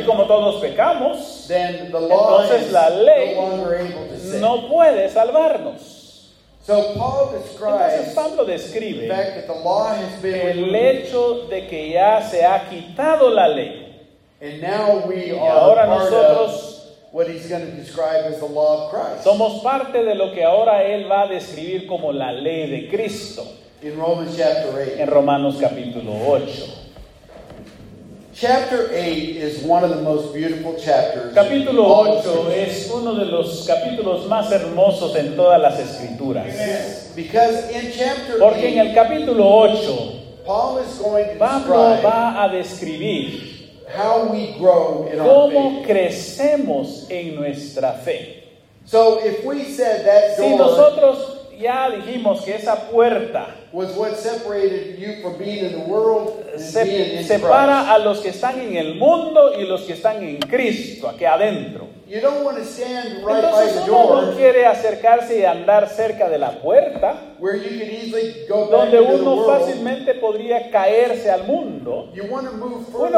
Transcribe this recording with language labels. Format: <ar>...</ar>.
<es>y como todos pecamos,</es> <en>then the law</en> <es>entonces la ley</es> <en>no, longer able to save.</en> <es>No puede salvarnos.</es> <en>So Paul describes,</en> <es>entonces Pablo describe</es> <en>the fact that the law has been</en> <es>el hecho de que ya se ha quitado la ley.</es> <en>And now we</en> <es>y ahora</es> <en>are</en> <es>nosotros</es> <en>what he's going to describe as the law of Christ.</en> <es>Somos parte de lo que ahora él va a describir como la ley de Cristo.</es> <en>In Romans chapter 8.</en> <es>En Romanos capítulo 8.</es> <en>Chapter 8 is one of the most beautiful chapters.</en> <es>Capítulo 8 es uno de los capítulos más hermosos en todas las escrituras.</es> <en>Because in chapter 8,</en> <es>porque en el capítulo 8</es> <en>Paul is going to</en> <es>Pablo va a describir</es> <en>how we grow in</en> <es>cómo</es> <en>our faith.</en> <es>Crecemos en nuestra fe.</es> <en>So if we said that door,</en> <es>si nosotros ya dijimos que esa puerta</es> <en>was what separated you from being in the world and</en> <es>separa</es> <en>Christ</en> <es>a los que están en el mundo y los que están en Cristo aquí adentro.</es> <en>You don't want to stand right</en> <es>entonces</es> <en>by the door</en> <es>uno no quiere acercarse y andar cerca de la puerta</es> <en>where you can easily go</en> <es>donde</es> <en>back</en> <es>uno</es> <en>into the</en> <es>fácilmente</es> <en>world</en> <es>podría caerse al mundo.</es> <en>You want to move further</en>